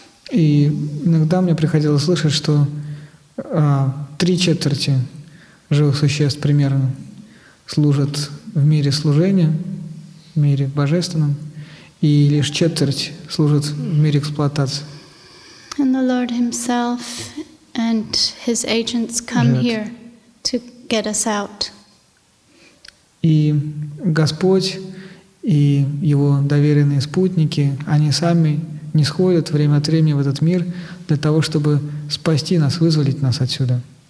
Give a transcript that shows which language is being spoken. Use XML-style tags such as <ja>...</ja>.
<ru>И иногда мне приходилось слышать, что 3/4 живых существ примерно служат в мире служения, в мире божественном, и лишь 1/4 служат в мире эксплуатации.</ru> <en>And the Lord Himself and His agents come here to get us out.</en> <ru>И Господь и Его доверенные спутники, они сами нисходят время от времени в этот мир для того, чтобы спасти нас, вызволить нас отсюда.</ru>